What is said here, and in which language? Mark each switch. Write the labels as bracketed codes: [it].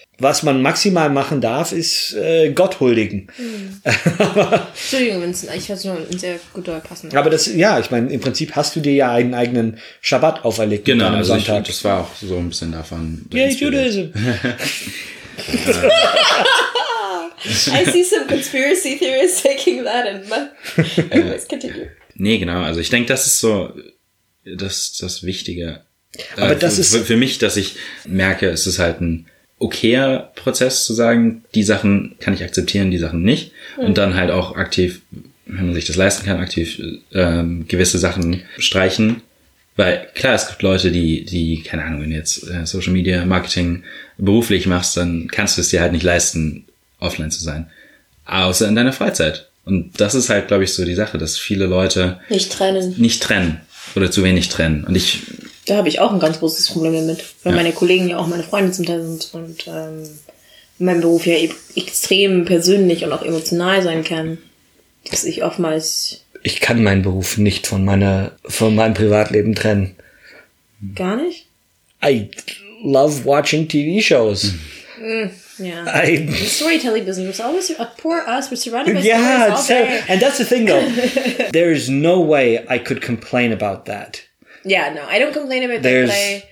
[de] Was man maximal machen darf, ist Gott huldigen. Mhm. Entschuldigung, ich hatte nur ein sehr guter passender. Aber das, ja, ich meine, im Prinzip hast du dir ja einen eigenen Schabbat auferlegt. Genau, mit deinem also Sonntag. Das war auch so ein bisschen davon. Ja, Judaism. [en] I see some conspiracy theorists taking that and let's [de] continue. Nee, genau. Also ich denke, das ist so das Wichtige. Aber das ist für mich, dass ich merke, es ist halt ein okayer Prozess zu sagen, die Sachen kann ich akzeptieren, die Sachen nicht. Mhm. Und dann halt auch aktiv, wenn man sich das leisten kann, aktiv gewisse Sachen streichen. Weil klar, es gibt Leute, die keine Ahnung, wenn du jetzt Social Media Marketing beruflich machst, dann kannst du es dir halt nicht leisten, offline zu sein. Außer in deiner Freizeit. Und das ist halt, glaube ich, so die Sache, dass viele Leute nicht trennen oder zu wenig trennen. Und ich... Da habe ich auch ein ganz großes Problem damit, weil meine Kollegen ja auch meine Freunde zum Teil sind und mein Beruf ja extrem persönlich und auch emotional sein kann, dass ich oftmals... Ich kann meinen Beruf nicht von meinem Privatleben trennen. Gar nicht? [en] I love watching TV shows. Yeah. The storytelling business was always poor us. We're surrounded by stories all day. And that's the thing, though. There is no way I could complain about that. Yeah, no, I don't complain about that.